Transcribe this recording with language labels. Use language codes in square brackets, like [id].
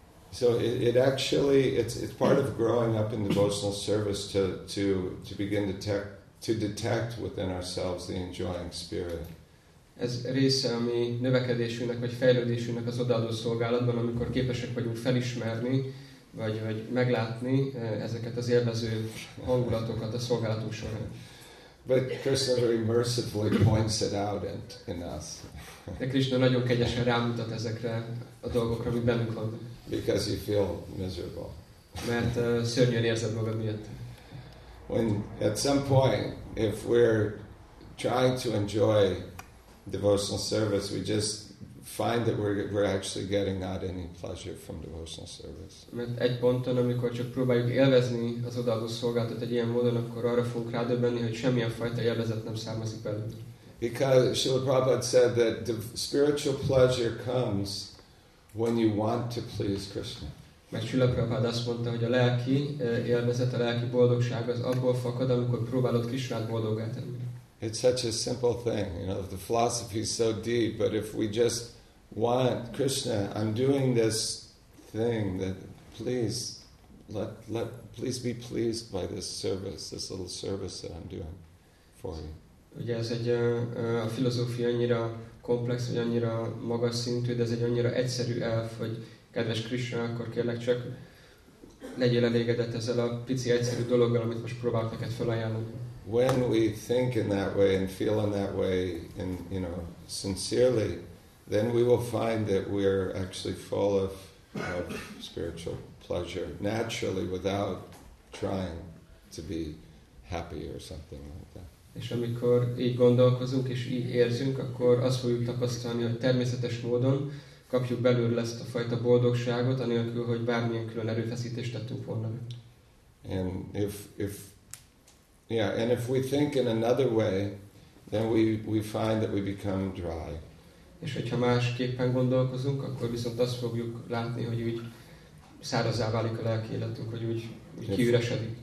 [en] So it's part of growing up in devotional service to begin to detect within ourselves the enjoying spirit. [hu] Ez része a mi növekedésünknek vagy fejlődésünknek az odaadó szolgálatban, amikor képesek vagyunk felismerni, vagy meglátni ezeket az élvező hangulatokat a szolgálatunk során. [en] But Krishna very mercifully points it out in us. [hu] De Krishna nagyon kegyesen rámutat ezekre a dolgokra, ami bennünk van. [en] Because you feel miserable. [hu] Mert szörnyűen érzed magad miatt. [en] when at some point, if we're trying to enjoy devotional service, we just find that we're actually getting not any pleasure from devotional service. [hu] Mert egy ponton, amikor csak próbáljuk élvezni az odaadó szolgáltat egy ilyen módon, akkor arra fogunk rádöbbenni, hogy semmilyen fajta élvezet nem származik belőle. [en] Because Srila Prabhupada said that the spiritual pleasure comes when you want to please Krishna. [hu] Mert Srila Prabhupada azt mondta, hogy a lelki élvezet, a lelki boldogság az abból fakad, amikor próbálod Krisnát boldoggá tenni. [en] It's such a simple thing, you know, the philosophy is so deep, but if we just want Krishna, I'm doing this thing that please let be pleased by this service, this little service that I'm doing for you. [hu] Ugye ez egy a filozófia annyira komplex, vagy annyira magas szintű, de ez egy annyira egyszerű elf, hogy kedves Krishna, akkor kérlek csak legyél elégedett ezzel a pici egyszerű dologgal, amit most próbálok neked felajánlani. [en] When we think in that way and feel in that way, and you know, sincerely, then we will find that we are actually full of spiritual pleasure naturally, without trying to be happy or something like that. [hu] És amikor így gondolkozunk és így érzünk, akkor azt fogjuk tapasztalni, hogy természetes módon kapjuk belőle ezt a fajta boldogságot, anélkül, hogy bármilyen külön erőfeszítést tettünk volna. [en] And if we think in another way, then we find that we become dry. [hu] És hogyha másképpen gondolkozunk, akkor viszont azt fogjuk látni, hogy úgy szárazzá válik a lelki életünk, hogy úgy kiüresedik.